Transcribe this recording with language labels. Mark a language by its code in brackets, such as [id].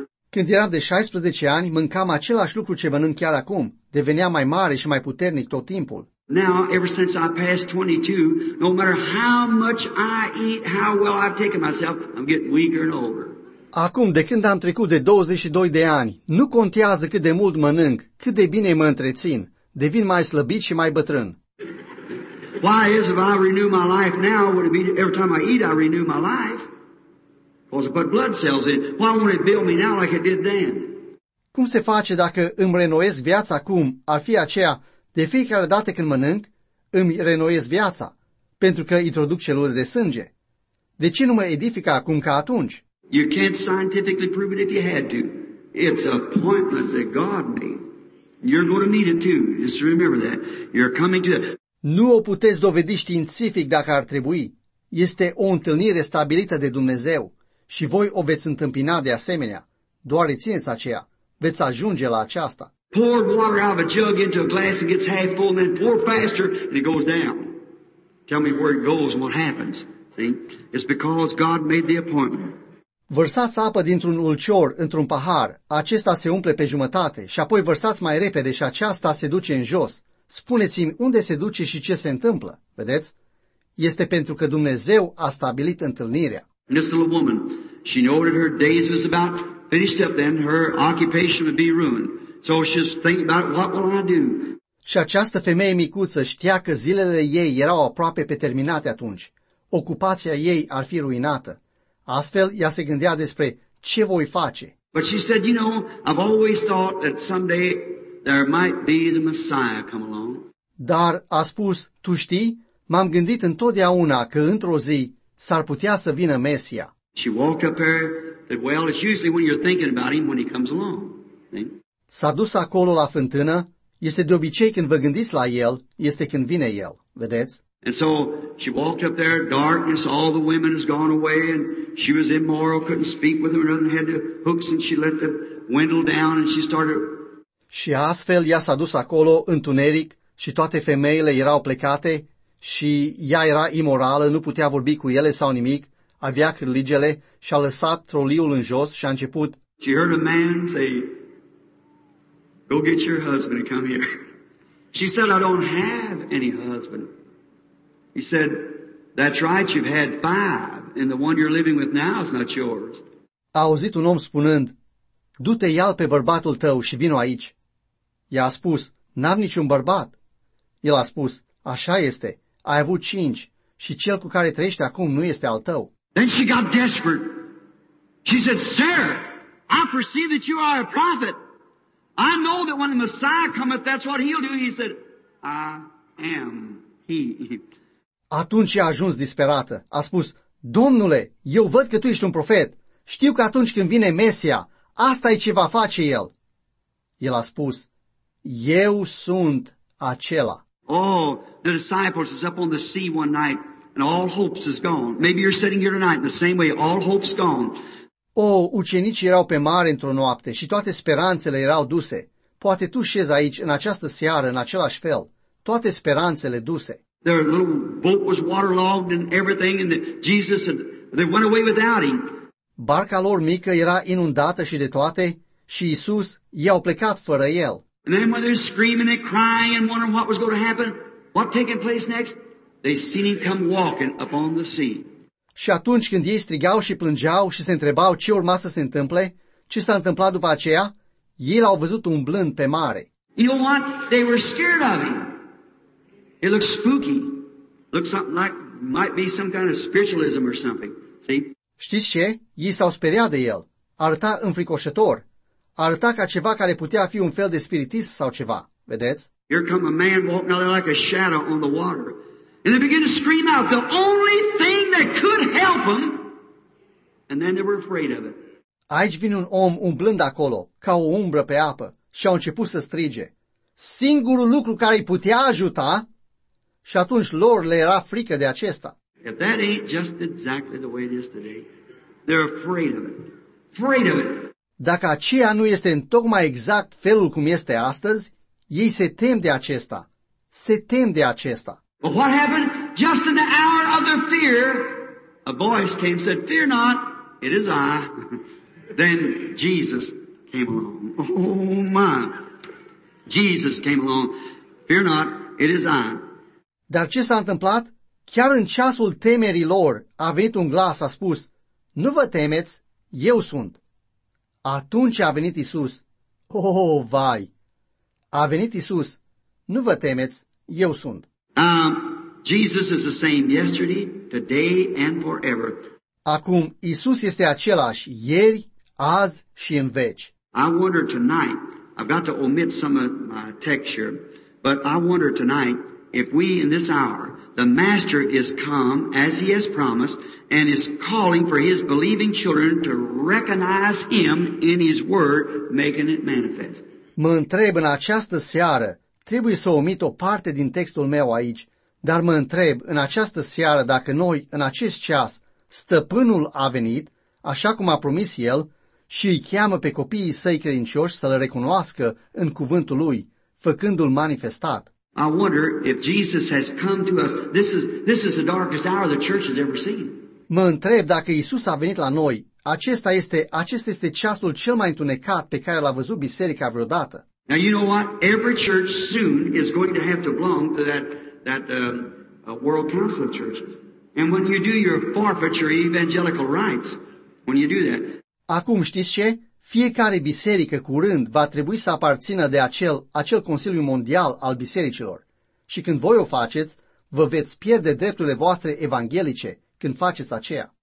[ro] Când eram de 16 ani, mâncam același lucru ce mănânc chiar acum. Deveneam mai mare și mai puternic tot timpul. [en] Now, ever since I passed 22, no matter how much I eat, how well I've taken myself, I'm getting weaker and older. [ro] Acum, de când am trecut de 22 de ani, nu contează cât de mult mănânc, cât de bine mă întrețin, devin mai slăbit și mai bătrân. [en] Why is if I renew my life now, would it be every time I eat I renew my life? Because I put blood cells in, why won't it build me now like it did then? [ro] Cum se face dacă îmi renoiesc viața acum, ar fi aceea, de fiecare dată când mănânc, îmi renoiesc viața, pentru că introduc celule de sânge. De ce nu mă edifică acum ca atunci? [en] You can't scientifically prove it if you had to. It's an appointment that God made. You're going to meet it too. Just remember that. You're coming to. [ro] Nu o puteți dovedi științific dacă ar trebui. Este o întâlnire stabilită de Dumnezeu și voi o veți întâmpina de asemenea. Doar rețineți aceea. Veți ajunge la aceasta. [en] Pour water out of a jug into a glass and gets half full, and then pour faster and it goes down. Tell me where it goes and what happens. See? It's because God made the appointment. [ro] Vărsați apă dintr-un ulcior într-un pahar, acesta se umple pe jumătate și apoi vărsați mai repede și aceasta se duce în jos. Spuneți-mi unde se duce și ce se întâmplă, vedeți? Este pentru că Dumnezeu a stabilit întâlnirea. [en] This little woman, she knew that her days was about finished up then, her occupation would be ruined. So she's thinking about what will I do? [ro] Și această femeie micuță știa că zilele ei erau aproape pe terminate atunci. Ocupația ei ar fi ruinată. Astfel, ea se gândea despre ce voi face. [en] But she said, you know, I've always thought that someday there might be the Messiah come along. [ro] Dar a spus, tu știi, m-am gândit întotdeauna că într-o zi s-ar putea să vină Mesia. [en] She walked up there, said, well, it's usually when you're thinking about him when he comes along. [ro] S-a dus acolo la fântână, este de obicei când vă gândiți la el, este când vine el, vedeți? [en] And so she walked up there, darkness, all the women has gone away, and she was immoral, couldn't speak with them, another had the hooks, and she let the windle down, and she started. [ro] Și astfel ea s-a dus acolo, întuneric, și toate femeile erau plecate, și ea era imorală, nu putea vorbi cu ele sau nimic, avea cârligele, și-a lăsat troliul în jos și a început. [en] She heard a man say, go get your husband and come here. She said, I don't have any husband. He said, that's right, you've had five, and the one you're living with now is not yours. [ro] A auzit un om spunând, du-te, ia-l pe bărbatul tău și vino aici. I-a spus, n-am niciun bărbat. El a spus, așa este, ai avut cinci și cel cu care trăiești acum nu este al tău. [en] Then she got desperate. She said, sir, I perceive that you are a prophet. I know that when the Messiah cometh, that's what he'll do. He said, I am he. [ro] Atunci a ajuns disperată. A spus, Domnule, eu văd că tu ești un profet. Știu că atunci când vine Mesia, asta e ce va face el. El a spus, eu sunt acela. [en] Oh, the disciples is up on the sea one night and all hopes is gone. Maybe you're sitting here tonight the same way, all hopes gone. [ro] Oh, ucenicii erau pe mare într-o noapte și toate speranțele erau duse. Poate tu șezi aici în această seară în același fel. Toate speranțele duse. [en] Their little boat was waterlogged and everything, and Jesus had, they went away without him. [ro] Barca lor mică era inundată și de toate, și Iisus i-au plecat fără el. [en] And then when they're screaming and crying and wondering what was going to happen, what taking place next, they seen him come walking upon the sea. [ro] Și atunci când ei strigau și plângeau și se întrebau ce urma să se întâmple, ce s-a întâmplat după aceea, ei l-au văzut umblând pe mare. [en] You know what? They were scared of him. It looks spooky. Looks something like might be some kind of spiritualism or something. See? [ro] Știți ce? Ei s-au speriat de el. Arăta înfricoșător. Arăta ca ceva care putea fi un fel de spiritism sau ceva. Vedeți? [en] Here come a man walking out like a shadow on the water. And they begin to scream out the only thing that could help him. And then they were afraid of it. [ro] Aici vine un om umblând acolo, ca o umbră pe apă, și au început să strige. Singurul lucru care îi putea ajuta. Și atunci lor le era frică de acesta. [en] If that ain't just exactly the way it is today, they're afraid of it. afraid of it. [ro] Dacă aceea nu este în tocmai exact felul cum este astăzi, ei se tem de acesta. Se tem de acesta. [en] But what happened? Just in the hour of their fear, a voice came and said, "Fear not, it is I." Then Jesus came along. Oh my. Jesus came along. "Fear not, it is I." [ro] Dar ce s-a întâmplat? Chiar în ceasul temerii lor a venit un glas, a spus, "Nu vă temeți, eu sunt." Atunci a venit Iisus. Oh, vai! A venit Iisus. Nu vă temeți, eu sunt. [en] Jesus is the same yesterday, today and forever. [ro] Acum, Iisus este același ieri, azi și în veci. [en] I wonder tonight, I've got to omit some of my text here, but I wonder tonight, if we in this hour, the Master is come, as He has promised, and is calling for His believing children to recognize Him in His Word, making it manifest. [ro] Mă întreb în această seară, trebuie să omit o parte din textul meu aici, dar mă întreb în această seară dacă noi, în acest ceas, Stăpânul a venit, așa cum a promis El, și îi cheamă pe copiii Săi credincioși să-L recunoască în cuvântul Lui, făcându-L manifestat. [en] I wonder if Jesus has come to us. This is the darkest hour the church has ever seen. [ro] Mă întreb dacă Iisus a venit la noi. Acesta este ceasul cel mai întunecat pe care l-a văzut biserica vreodată. [en] Now you know what? Every church soon is going to have to belong to that World Council of Churches. And when you do your forfeiture evangelical rights, when you do that. [ro] Acum știți ce? Fiecare biserică curând va trebui să aparțină de acel Consiliu Mondial al Bisericilor. Și când voi o faceți, vă veți pierde drepturile voastre evanghelice când faceți aceea.